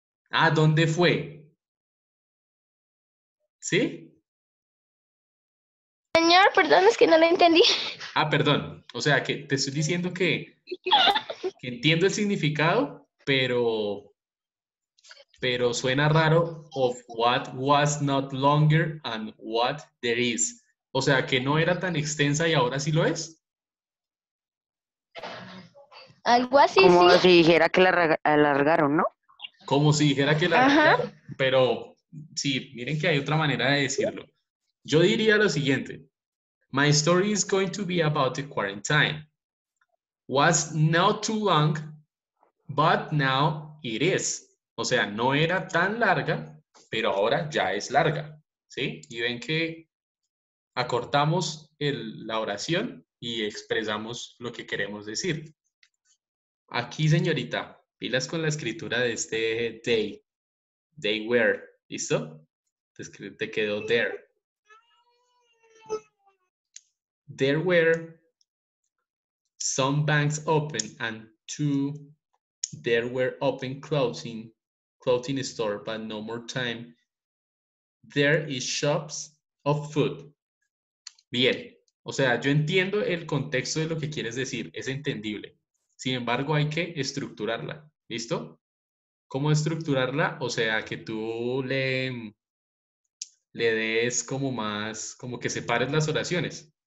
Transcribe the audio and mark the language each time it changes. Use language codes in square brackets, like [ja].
[es] Ah, ¿dónde fue? ¿Sí? Señor, perdón, es que no lo entendí. Ah, perdón. O sea, que te estoy diciendo que entiendo el significado, pero suena raro. [en] Of what was not longer and what there is. [es] O sea, que no era tan extensa y ahora sí lo es. Algo así, Como sí. si dijera que la alargaron, ¿no? Como si dijera que la Ajá. alargaron, pero sí, miren que hay otra manera de decirlo. Yo diría lo siguiente: [en] My story is going to be about the quarantine. Was not too long, but now it is. [es] O sea, no era tan larga, pero ahora ya es larga. ¿Sí? Y ven que acortamos la oración y expresamos lo que queremos decir. Aquí, señorita, pilas con la escritura de este they. [en] They were. [es] ¿Listo? Te quedó there. [en] There were some banks open and two. There were open clothing store, but no more time. There is shops of food. Bien. [es] O sea, yo entiendo el contexto de lo que quieres decir. Es entendible. Sin embargo, hay que estructurarla. ¿Listo? ¿Cómo estructurarla? O sea, que tú le des como más, como que separes las oraciones.